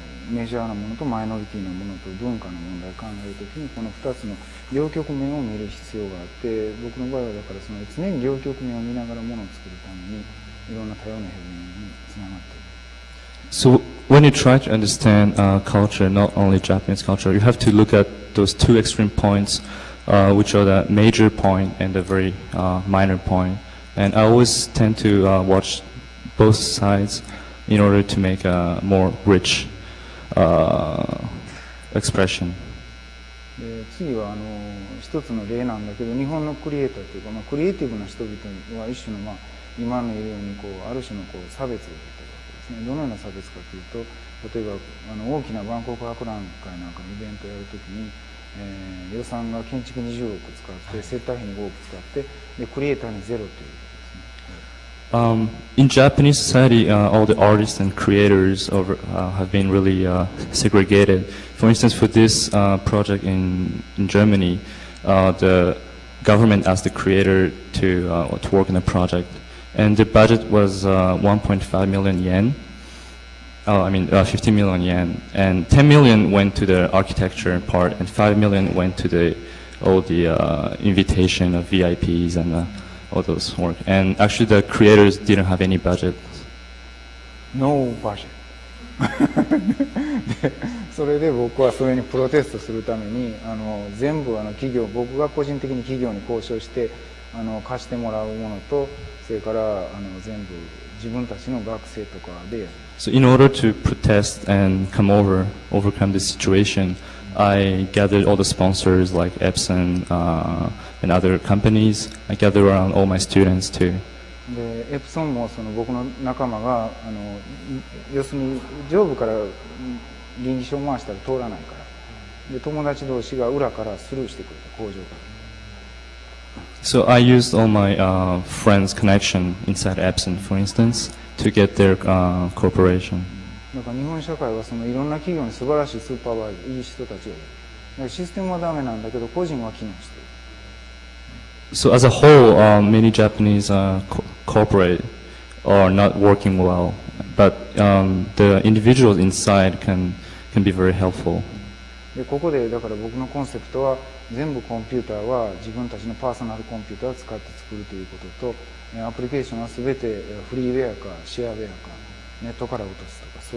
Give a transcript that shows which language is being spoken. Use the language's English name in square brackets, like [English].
[Japanese] メジャーなものとマイノリティなものと文化の問題を考えるときにこの2つの両極面を見る必要があって僕の場合はだからその常に両極面を見ながらものを作るためにいろんな多様なヘルメンにつながっている [English] So when you try to understand culture, not only Japanese culture, you have to look at those two extreme points, which are the major point and the very minor point. And I always tend to watch both sides in order to make a more richexpression. [Japanese] で次はあの一つの例なんだけど日本のクリエイターというか、まあ、クリエイティブな人々は一種の、まあ、今のいるようにこうある種のこう差別を受けているわけですね。どのような差別かというと例えばあの大きな万国博覧会なんかのイベントをやるときに、予算が建築20億使って接待費に5億使ってでクリエイターにゼロという [English] In Japanese society, all the artists and creators over, have been really segregated. For instance, for this project in Germany, the government asked the creator to work in the project. And the budget was 1.5 million yen, I mean 15 million yen. And 10 million went to the architecture part, and 5 million went to the, all the invitation of VIPs and all those work. And actually the creators didn't have any budget. No budget. [Japanese] それで僕はそれにプロテストするためにあの全部あの企業僕が個人的に企業に交渉してあの貸してもらうものとそれからあの全部自分たちの学生とかでやる。 [English] So in order to protest and come over, overcome the situation, I gathered all the sponsors like Epson and other companies. I gathered around all my students too. [Japanese] で、エプソンもその僕の仲間があの要するに上部から倫理書を回したら通らないから。で、友達同士が裏からスルーしてくれた工場から。 [English] So I used all my friends' connection inside Epson, for instance, to get their cooperation. [Japanese] なんか日本社会はそのいろんな企業に素晴らしいスーパーバイザーいい人たちがいる。システムはダメなんだけど個人は機能している [English] 。So as a whole, many Japanese corporate are not working well, but the individuals inside can be very helpful. [Japanese] でここでだから僕のコンセプトは全部コンピューターは自分たちのパーソナルコンピューターを使って作るということと、アプリケーションはすべてフリーウェアかシェアウェアかネットから落とすと。